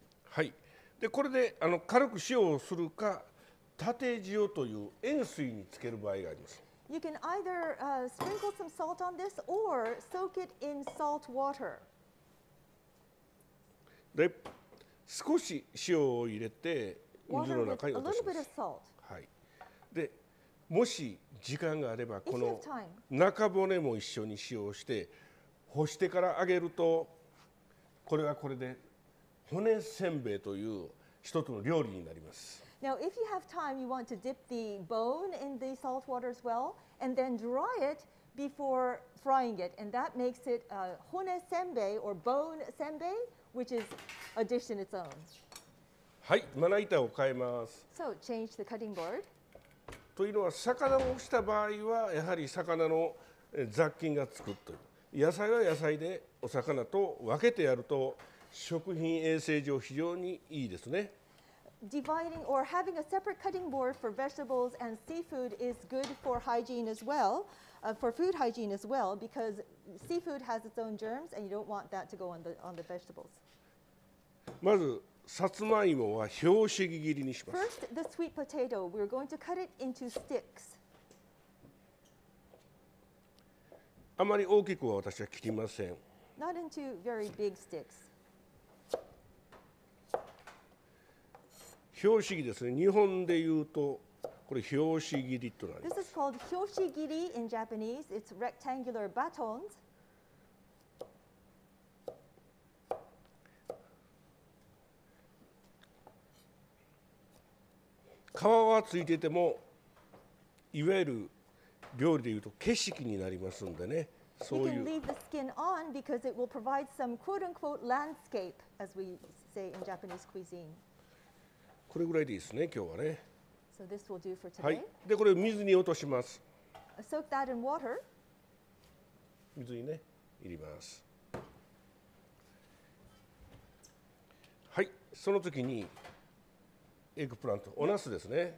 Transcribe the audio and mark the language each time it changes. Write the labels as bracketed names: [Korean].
[Japanese] はい、でこれで軽く塩をするか縦塩という塩水につける場合があります。 [English] You can either sprinkle some salt on this or soak it in salt water. [Japanese] で少し塩を入れて水の中に落とします。 [English] Water with a little bit of salt. [Japanese] はい、でもし時間があればこの中骨も一緒に塩をして干してからあげるとこれはこれで骨せんべいという一つの料理になります。 [English] Now, if you have time, you want to dip the bone in the salt water as well, and then dry it before frying it, and that makes it a 骨せんべい or bone せんべい, which is a dish in its own. [Japanese] はい、まな板を変えます。 [English] So, change the cutting board. [Japanese] というのは、魚をした場合はやはり魚の雑菌がつくという。野菜は野菜でお魚と分けてやると。食品衛生上非常にいいですね。 [English] Dividing or having a separate cutting board for vegetables and seafood is good for hygiene as well, for food hygiene as well, because seafood has its own germs and you don't want that to go on the vegetables. [Japanese] まずさつまいもは拍子木切りにします。 [English] First, the sweet potato. We're going to cut it into sticks. [Japanese] あまり大きくは私は切りません。 [English] Not into very big sticks. [Japanese] 拍子切りですね。日本で言うとこれ拍子切りとなります。 [English] This is called 拍子切り in Japanese. It's rectangular batons. [Japanese] 皮はついていてもいわゆる料理で言うと景色になりますんでね。そういう。 [English] You can leave the skin on because it will provide some quote unquote landscape, as we say in Japanese cuisine. [Japanese] これぐらいでいいですね、今日はね。 [English] So this will do for today. [Japanese] はい、で、これを水に落とします。 [English] Soak that in water. [Japanese] 水にね、入れます。はい、その時にエッグプラント、お茄子ですね。